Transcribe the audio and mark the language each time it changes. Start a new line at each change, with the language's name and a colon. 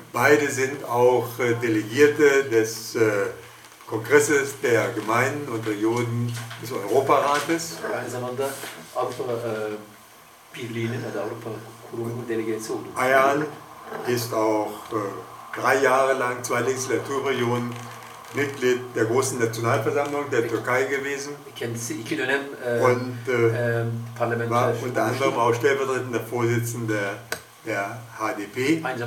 German: Beide sind auch Delegierte des Kongresses der Gemeinden und Regionen des Europarates.
Turkish: Aynı zamanda Avrupa Birliği'nin ya da Avrupa Kurumu'nun delegesi oldu.
German: Ayhan ist auch drei Jahre lang, zwei Legislaturperioden, Mitglied der großen Nationalversammlung der Türkei gewesen und war unter anderem auch stellvertretender Vorsitzender der HDP.